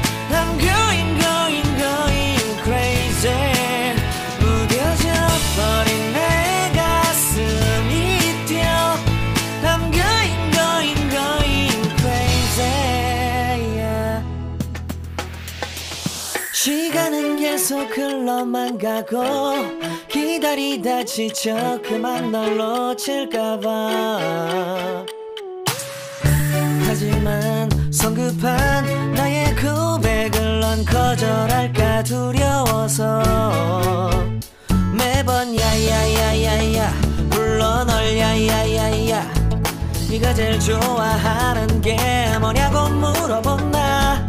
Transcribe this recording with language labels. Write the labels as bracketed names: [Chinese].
[English] I'm going, going, going crazy. [Korean] 무뎌져버린 내 가슴이 뛰어. [English] I'm going, going, going crazy. Yeah. [Korean] 시간은 계속 흘러만 가고 기다리다 지쳐 그만 널 놓칠까봐. 하지만 성급한 나의 고백을 넌 거절할까 두려워서 매번 야야야야야 불러 널 야야야야 네가 제일 좋아하는 게 뭐냐고 물어본다.